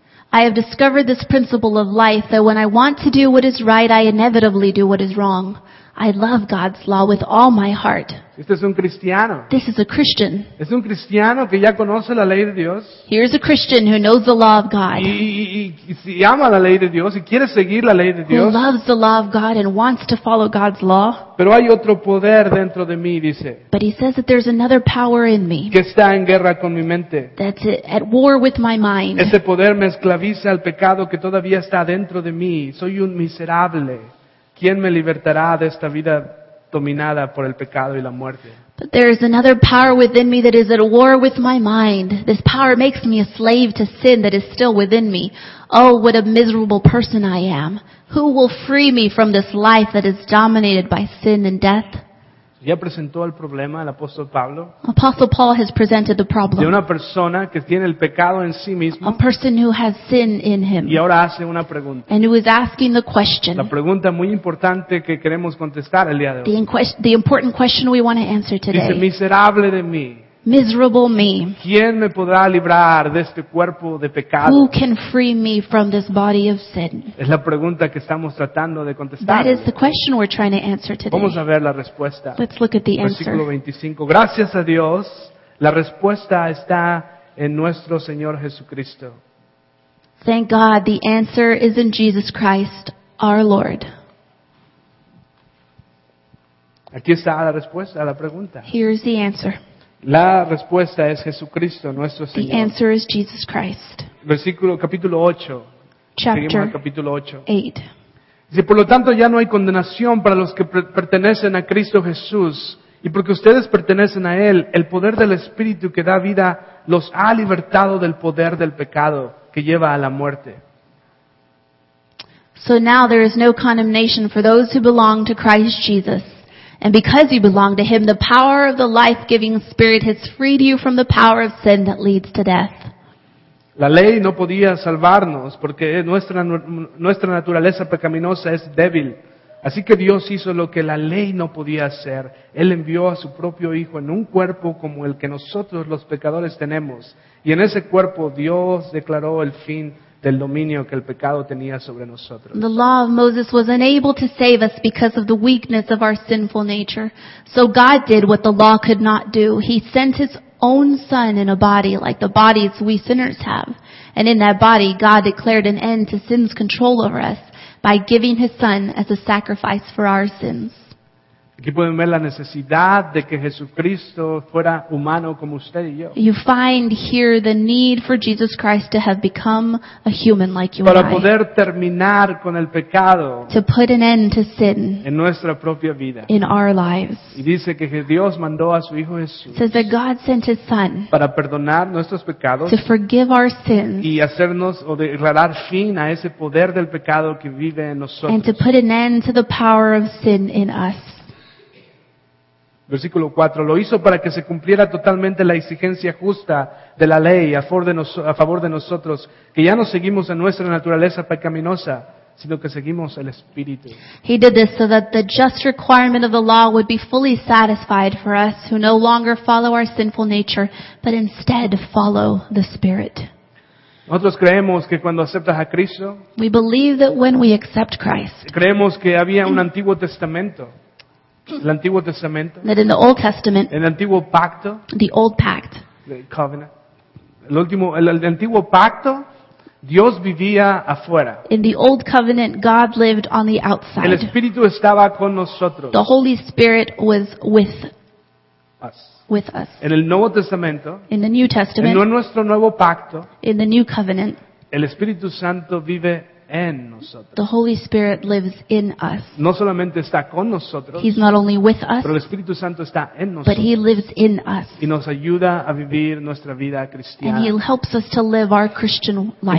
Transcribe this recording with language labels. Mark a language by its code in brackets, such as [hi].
[en] I have discovered this principle of life, that when I want to do what is right, I inevitably do what is wrong. I love God's law with all my heart. [es] Este es un cristiano. [en] This is a Christian. [es] Es un cristiano que ya conoce la ley de Dios. [en] Here's a Christian who knows the law of God. [es] Y ama la ley de Dios y quiere seguir la ley de Dios. [en] Who loves the law of God and wants to follow God's law. [es] Pero hay otro poder dentro de mí, dice. [en] But he says that there's another power in me. [es] Que está en guerra con mi mente. [en] That's at war with my mind. [es] Ese poder me esclaviza al pecado que todavía está dentro de mí. Soy un miserable. ¿Quién me libertará de esta vida dominada por el pecado y la muerte? [en] But there is another power within me that is at war with my mind. This power makes me a slave to sin that is still within me. Oh, what a miserable person I am. Who will free me from this life that is dominated by sin and death? [es] ¿Ya presentó el problema el apóstol Pablo? [en] Apostle Paul has presented the problem. [es] De una persona que tiene el pecado en sí mismo. [en] A person who has sin in him. [es] Y ahora hace una pregunta. [en] And who is asking the question. [es] La pregunta muy importante que queremos contestar el día de hoy. [en] The important question we want to answer today. [es] Dice, miserable de mí. [en] Miserable me. [es] ¿Quién me podrá librar de este cuerpo de pecado? [en] Who can free me from this body of sin? [es] Es la pregunta que estamos tratando de contestar. [en] That is the question we're trying to answer today. [es] Vamos a ver la respuesta. [en] Let's look at the answer. [es] Versículo 25. Gracias a Dios, la respuesta está en nuestro Señor Jesucristo. [en] Thank God, the answer is in Jesus Christ, our Lord. [es] Aquí está la respuesta a la pregunta. [en] Here is the answer. [es] La respuesta es Jesucristo, nuestro Señor. [en] The answer is Jesus Christ. [es] Versículo, capítulo 8. [en] Chapter [es] capítulo 8. [en] 8. [es] Dice, por lo tanto, ya no hay condenación para los que pertenecen a Cristo Jesús. Y porque ustedes pertenecen a Él, el poder del Espíritu que da vida los ha libertado del poder del pecado que lleva a la muerte. [en] So now there is no condemnation for those who belong to Christ Jesus. And because you belong to Him, the power of the life-giving Spirit has freed you from the power of sin that leads to death. [es] La ley no podía salvarnos porque nuestra naturaleza pecaminosa es débil. Así que Dios hizo lo que la ley no podía hacer. Él envió a su propio Hijo en un cuerpo como el que nosotros los pecadores tenemos. Y en ese cuerpo Dios declaró el fin del dominio que el pecado tenía sobre nosotros. [en] The law of Moses was unable to save us because of the weakness of our sinful nature. So God did what the law could not do. He sent His own Son in a body like the bodies we sinners have. And in that body, God declared an end to sin's control over us by giving His Son as a sacrifice for our sins. [es] Aquí pueden ver la necesidad de que Jesucristo fuera humano como usted y yo. [en] You find here the need for Jesus Christ to have become a human like you and I. [es] Para poder terminar con el pecado. [en] To put an end to sin. [es] En nuestra propia vida. [en] In our lives. [es] Y dice que Dios mandó a su Hijo Jesús. [en] Says that God sent His Son. [es] Para perdonar nuestros pecados. [en] To forgive our sins. [es] Y hacernos o declarar fin a ese poder del pecado que vive en nosotros. [en] And to put an end to the power of sin in us. [es] Versículo 4. Lo hizo para que se cumpliera totalmente la exigencia justa de la ley a favor de nosotros, que ya no seguimos a nuestra naturaleza pecaminosa, sino que seguimos el Espíritu. [en] He did this so that the just requirement of the law would be fully satisfied for us who no longer follow our sinful nature, but instead follow the Spirit. [es] Nosotros creemos que cuando aceptas a Cristo, [en] we believe that when we accept Christ, [es] creemos que había un Antiguo Testamento. El Antiguo Testamento. [en] That in the Old Testament. [es] El Antiguo Pacto. [en] The Old Pact. The Covenant. [es] El último, el Antiguo Pacto, Dios vivía afuera. [en] In the Old Covenant, God lived on the outside. [es] El Espíritu estaba con nosotros. [en] The Holy Spirit was with us. With us. [es] En el Nuevo Testamento. [en] In the New Testament. [es] En nuestro Nuevo Pacto. [en] In the New Covenant. [es] El Espíritu Santo vive en nosotros. [en] The Holy Spirit lives in us. [es] No solamente está con nosotros, [en] He's not only with us, [es] pero el Espíritu Santo está en nosotros, [en] but He lives in us. [es] Y nos ayuda a vivir nuestra vida cristiana. [en] And He helps us to live our Christian life.